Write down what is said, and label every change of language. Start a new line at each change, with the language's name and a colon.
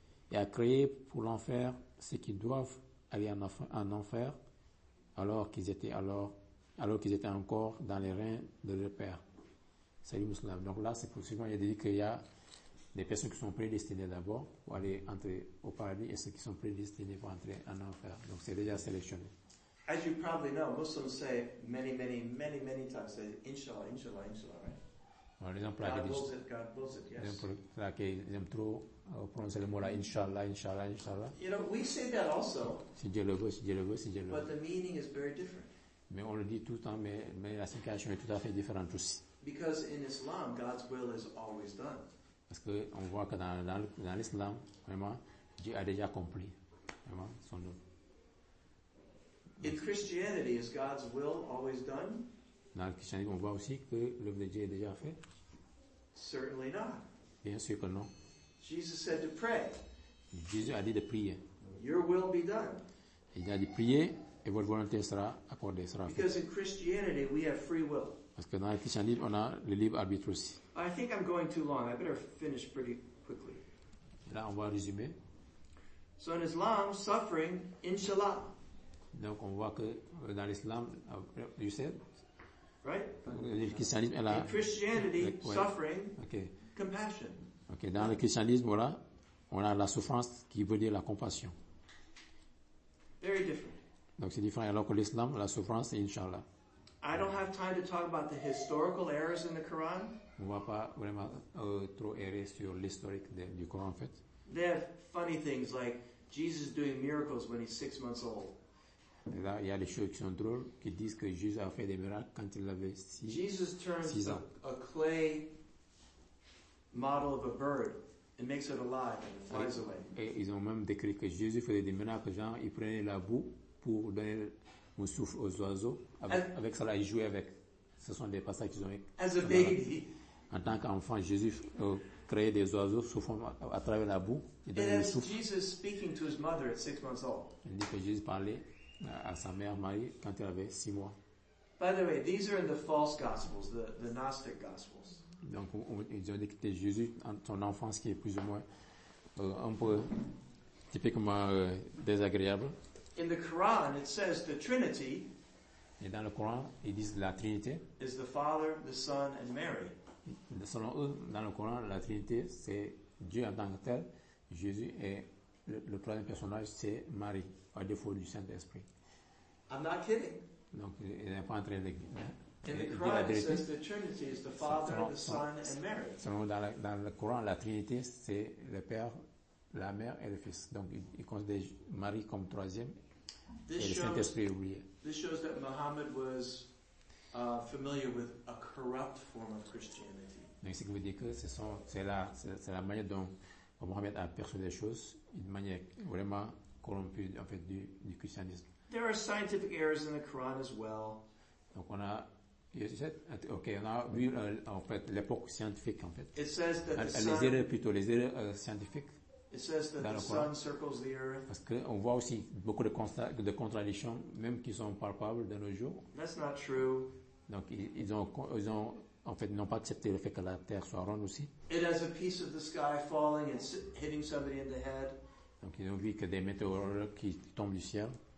French: Et a créé pour l'enfer ceux qui doivent aller en enfer alors qu'ils étaient encore dans les reins de leur père. Salut Mousselam. Donc là, c'est possible. Il a dit qu'il y a des personnes qui sont prédestinées d'abord pour aller entrer au paradis et ceux qui sont prédestinées pour entrer en enfer. Donc c'est déjà sélectionné.
English: As you probably know, Muslims say many, many, many, many times, say Inshallah, Inshallah, Inshallah, right?
French: Bon, l'exemple,
English: God wills it, God wills it, yes.
French: C'est là qu'ils aiment trop prononcer le mot là, Inshallah, Inshallah, Inshallah.
English: You know, we say that also.
French: Si Dieu le veut, si Dieu le veut, si Dieu le veut.
English: But the meaning is very different.
French: Mais on le dit tout le temps, mais la signification est tout à fait différente aussi.
English: Because in Islam, God's will is always done.
French: Parce qu'on voit que dans l'islam, vraiment, Dieu a déjà accompli vraiment, son œuvre.
English: In Christianity, is God's will always done?
French: Dans le christianisme, on voit aussi que l'œuvre de Dieu est déjà faite.
English: Certainly not.
French: Bien sûr que non.
English: Jesus said to pray.
French: Jésus a dit de prier.
English: Your will be done.
French: Il a dit prier et votre volonté sera accordée, sera faite.
English: Because in Christianity, we have free will.
French: Parce que dans le christianisme, on a le libre arbitre aussi.
English: I think I'm going too long. I better finish pretty quickly.
French: Là, on va résumer.
English: So in Islam, suffering, inshallah.
French: Donc on voit que dans l'islam,
English: you said? Right?
French: Le christianisme, elle a...
English: In Christianity, ouais. Suffering, okay. Compassion.
French: Ok, dans le christianisme, voilà, on a la souffrance qui veut dire la compassion.
English: Very different.
French: Donc c'est différent. Alors que l'islam, la souffrance, c'est inshallah.
English: I don't have time to talk about the historical errors in the Quran.
French: On va pas vraiment trop errer sur l'historique du Coran, en fait.
English: They have funny things like Jesus doing miracles when he's 6 months old.
French: Et là, il y a des choses qui sont drôles qui disent que Jésus a fait des miracles quand il avait 6 ans.
English: Jesus turns a clay model of a bird and makes it alive and it flies away.
French: Et ils ont même décrit que Jésus faisait des miracles, genre il prenait la boue pour donner on souffle aux oiseaux avec cela, ils jouaient avec. Ce sont des passages qu'ils ont
English: as a baby.
French: En tant qu'enfant, Jésus créait des oiseaux souffrant à travers la boue.
English: Et as Jesus speaking to his mother at 6 months old.
French: Il dit que Jésus parlait à sa mère Marie quand elle avait 6 mois.
English: By the way, these are in the false gospels, the Gnostic gospels.
French: Donc ils ont décrit Jésus en son enfance qui est plus ou moins un peu typiquement désagréable.
English: In the Quran, it says the Trinity.
French: Et dans le Coran, ils disent la Trinité.
English: Is the Father, the Son, and Mary.
French: Selon eux, dans le Coran, la Trinité, c'est Dieu en tant que tel, Jésus, et le troisième personnage, c'est Marie, à défaut du Saint-Esprit.
English: I'm not kidding.
French: Donc, il n'est pas en train de dire la
English: vérité. In the Quran, it says the Trinity is the Father, the Son, and Mary.
French: Selon eux, dans le Coran, la Trinité, c'est le Père, la Mère et le Fils. Donc, ils considèrent Marie comme troisième, et le Saint-Esprit oublié.
English: This shows that Muhammad was familiar with a corrupt form of Christianity.
French: Donc, ce qui veut dire que c'est la manière dont Muhammad a perçu les choses, une manière vraiment corrompue en fait du christianisme.
English: There are scientific errors in the Quran as well.
French: Donc on a vu l'époque scientifique en fait.
English: It says that
French: les erreurs scientifiques.
English: It says that the sun circles the earth.
French: Parce qu'on voit aussi beaucoup de contradictions, même qui sont palpables de nos jours.
English: That's not true.
French: Donc ils ont en fait n'ont pas accepté le fait que la terre soit ronde aussi.
English: It has a piece of the sky falling and hitting somebody in the head.
French: Donc ils ont vu que des météores qui tombent du ciel.